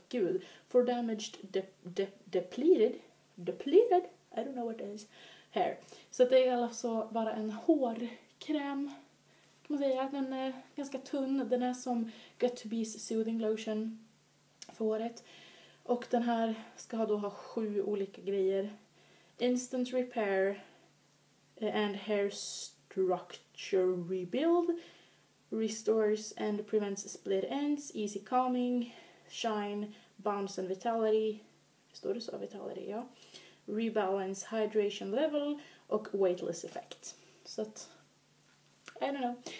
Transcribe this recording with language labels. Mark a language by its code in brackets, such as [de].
[en] Gud, for damaged depleted, I don't know what it is, hair. [sv] Så det är alltså bara en hårkräm, kan man säga. Den är ganska tunn, den är som Got to Be's Soothing Lotion för håret. Och den här ska då ha 7 olika grejer. [en] Instant repair and hair structure rebuild. Restores and prevents split ends. Easy calming. Shine. Bounce and vitality. [sv] Står det så? [en] Vitality, ja. Rebalance hydration level. Och weightless effect. [sv] Så att, [en] I don't know.